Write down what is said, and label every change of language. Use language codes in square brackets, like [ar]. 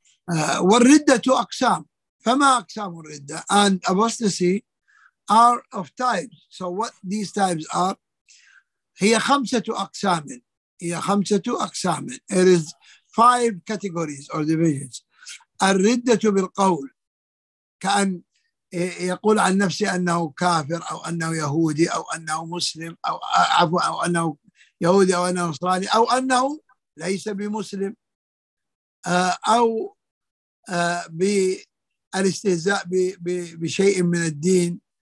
[ar] والردة to أقسام. فما أقسام الردة? [en] And apostasy are of types. So what these types are? [ar] هي خمسة أقسام. هي خمسة أقسام. [en] It is five categories or divisions. [ar] الردة بالقول. كأن يقول عن نفسه أنه كافر أو أنه يهودي أو أنه مسلم أو عفوا أو أنه يهودي أو أنه نصراني أو أنه ليس بمسلم أو بالاستهزاء بشيء من الدين.